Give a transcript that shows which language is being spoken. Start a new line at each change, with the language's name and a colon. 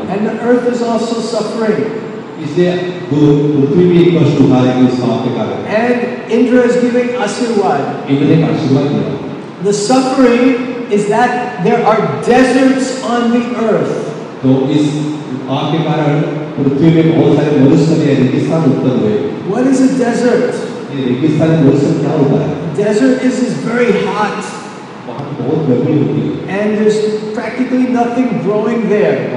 English: And the earth is also suffering.
Hindi: पृथ्वी भी एक कष्ट उठा रही है इस पाप के कारण.
English: And Indra is giving asirwad.
Hindi: Indra ने आशीर्वाद दिया.
English: The suffering is that there are deserts on the earth.
Hindi: तो इस पाप के कारण पृथ्वी में बहुत सारे मरुस्थल या रेगिस्तान उत्पन्न हुए.
English: What is a desert?
Hindi: ये रेगिस्तान मरुस्थल क्या होता है?
English: Desert is very hot. And there's practically nothing growing there.